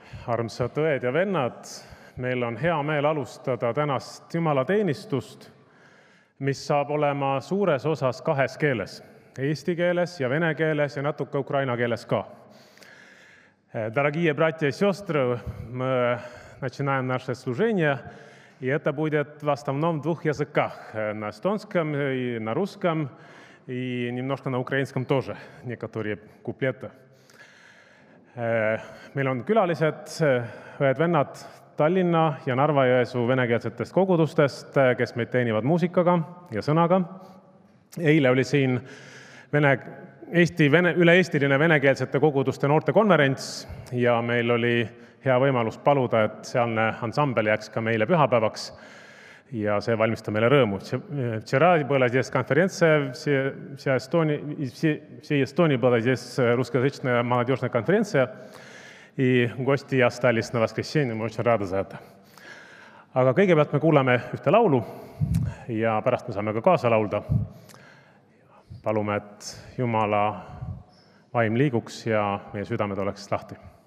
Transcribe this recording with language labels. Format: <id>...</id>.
<et>Armsad õed ja vennad, meil on hea meel alustada tänast Jumala teenistust, mis saab olema suures osas kahes keeles. Eesti keeles ja vene keeles ja natuke ukraina keeles ka.</et> <ru>Дорогие братья и сестры, мы начинаем наше служение, и это будет в основном в двух языках. На эстонском и на русском, и немножко на украинском тоже, некоторые куплеты.</ru> <et>Meil on külalised, õed vennad Tallinna ja Narva-Jõesu venekeelsetest kogudustest, kes meid teenivad muusikaga ja sõnaga. Eile oli siin üle-eestiline venekeelsete koguduste noorte konverents ja meil oli hea võimalus paluda, et sealne ansambel jääks ka meile pühapäevaks ja see valmistab meile rõõmu.</et> <ru>Вчера была здесь конференция, все Эстонии была здесь русскоязычная молодежная конференция, и гости остались на воскресенье, мы очень рады за это.</ru> <et>Aga kõigepealt me kuuleme ühte laulu ja pärast me saame ka kaasa laulda. Palume, et Jumala vaim liiguks ja meie südamed oleks lahti.</et>